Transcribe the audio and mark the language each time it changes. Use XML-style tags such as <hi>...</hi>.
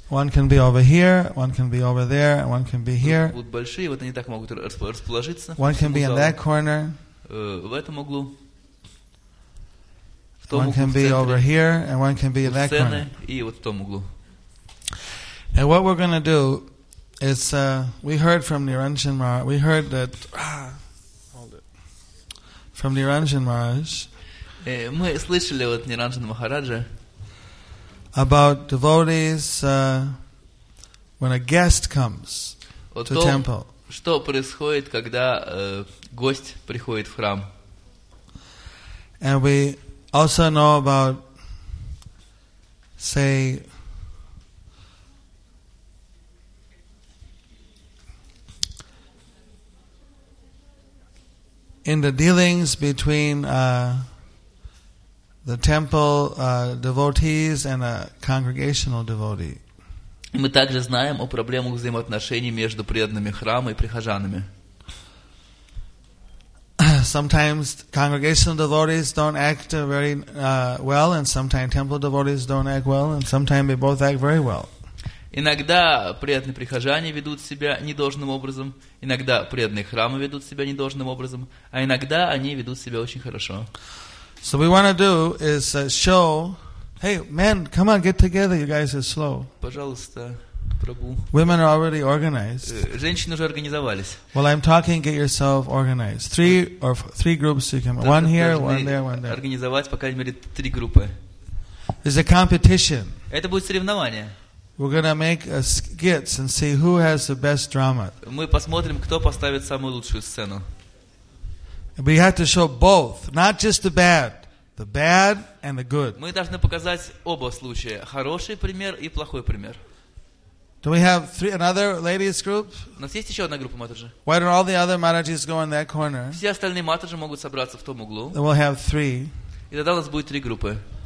<en>One can be over here, one can be over there, and one can be here.</en> <ru>Будут большие, вот они так могут расположиться.</ru> <en>One can be in that corner.</en> <ru>В этом углу.</ru> <en>One can be over here, and one can be in that corner.</en> <ru>И вот в том углу.</ru> <en>And what we're gonna do is we heard from Niranjan Maharaj. We heard that. From Niranjan Maharaj.</en> <ru>Мы слышали от Ниранджана Махараджа.</ru> <en>About devotees when a guest comes to</en> <ru>том,</ru> <en>temple.</en> <ru>Что происходит, когда гость приходит в храм?</ru> <en>And we also know about, say, in the dealings between the temple devotees and a congregational devotee.</en> <ru>Мы также знаем о проблемах взаимоотношений между преданными храма и прихожанами.</ru> <en>Sometimes congregational devotees don't act very well, and sometimes temple devotees don't act well, and sometimes they both act very well.</en> <ru>Иногда преданные прихожане ведут себя недолжным образом, иногда преданные храмы ведут себя недолжным образом, а иногда они ведут себя очень хорошо.</ru> <en>So we want to do is show, hey, men, come on, get together, you guys are slow.</en> <ru>Пожалуйста, Прабу.</ru> <en>Women are already organized.</en> <ru>Женщины уже организовались.</ru> <en>While I'm talking, get yourself organized. Three groups you can, one here, one there, one there.</en> <ru>Организовать, по крайней мере, 3 группы.</ru> <en>It's a competition.</en> <ru>Это будет соревнование.</ru> <en>We're gonna make a skits and see who has the best drama.</en> <ru>Мы посмотрим, кто поставит самую лучшую сцену.</ru> <en>We have to show both, not just the bad and the good.</en> <ru>Мы должны показать оба случая: хороший пример и плохой пример.</ru> <en>Do we have another ladies group?</en> <ru>У нас есть еще одна группа матаджи.</ru> <en>Why don't all the other matajis go in that corner?</en> <ru>Все остальные матаджи могут собраться в том углу.</ru> <en>Then we'll have 3.</en> <ru>И тогда у нас будет 3 группы.</ru>